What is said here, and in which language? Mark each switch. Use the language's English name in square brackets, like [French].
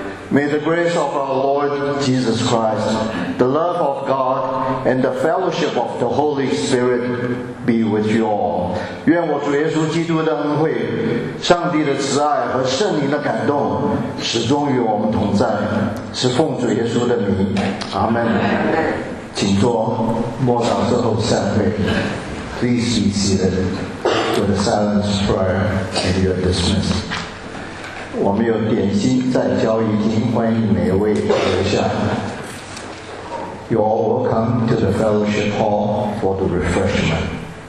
[English] May the grace of our Lord Jesus Christ, the love of God, and the fellowship of the Holy Spirit be with you all. [Chinese] 愿我主耶稣基督的恩惠，上帝的慈爱和圣灵的感动，始终与我们同在。是奉主耶稣的名，阿门。请坐，默祷之后散会。 [English] Please be seated for the silence prayer and your dismissal. [Chinese] 我们有点心在交易厅，欢迎每一位留下。 [English] You are welcome to the fellowship hall for the refreshment.